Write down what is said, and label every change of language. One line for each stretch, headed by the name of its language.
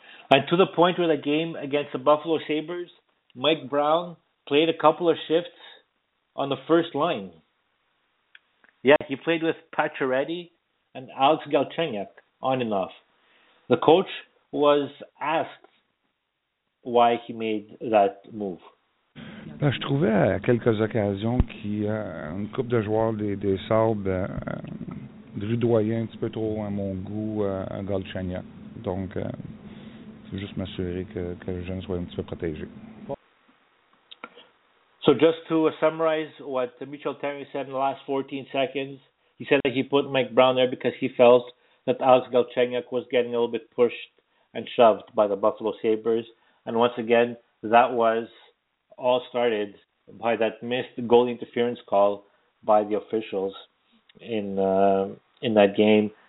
English: And to the point where the game against the Buffalo Sabres, Mike Brown played a couple of shifts on the first line. Yeah, he played with Pacioretty and Alex Galchenyuk on and off. The coach was asked why he made that move.
French: Ben, je trouvais à quelques occasions une couple de joueurs des Sabres rudoyaient un petit peu trop à mon goût à Galchenyuk. Donc, c'est juste m'assurer que le jeune soit un petit peu protégé.
English: So just to summarize what Mitchell Therrien said in the last 14 seconds, he said that he put Mike Brown there because he felt that Alex Galchenyuk was getting a little bit pushed and shoved by the Buffalo Sabres. And once again, that was all started by that missed goal interference call by the officials in that game.